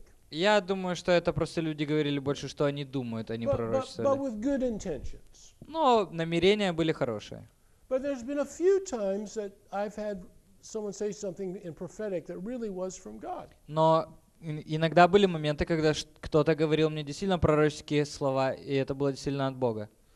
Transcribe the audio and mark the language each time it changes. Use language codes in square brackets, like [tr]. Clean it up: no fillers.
[ru] Я думаю, что это просто люди говорили больше, что они думают, а не пророчествовали. Но намерения были хорошие. [en] But there's been a few times that I've had someone say something in prophetic that really was from God. [ru] Но иногда были моменты, когда кто-то говорил мне действительно пророческие слова, и это было действительно от Бога.